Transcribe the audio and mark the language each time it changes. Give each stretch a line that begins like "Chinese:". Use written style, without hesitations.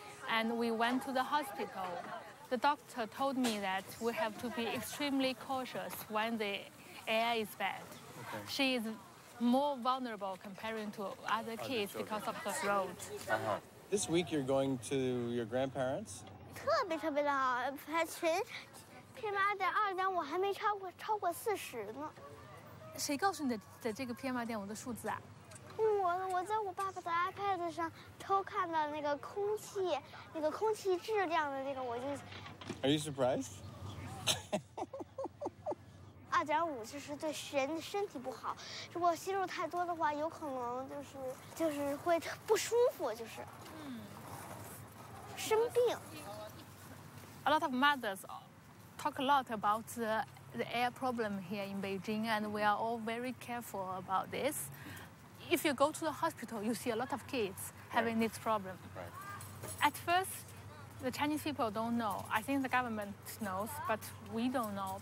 English: And we went to the hospital. The doctor told me that we have to be extremely cautious when the air is bad. Okay. She is more vulnerable comparing to other kids other because of the throat. Uh-huh. This week you're going to your grandparents?
Chinese: 特别特别的好，还全PM2.5还没超过40呢。谁告诉你的这个PM2.5的数字啊？我在我爸爸的iPad上偷看到那个空气质量的那个，我就。Are
English: you surprised?
Chinese: 2.5就是对人身体不好，如果吸入太多的话，有可能就是会不舒服，就是生病。A
English: lot of mothers talk a lot about the air problem here in Beijing, and we are all very careful about this. If you go to the hospital, you see a lot of kids having this problem. Right. At first, the Chinese people don't know. I think the government knows, but we don't know.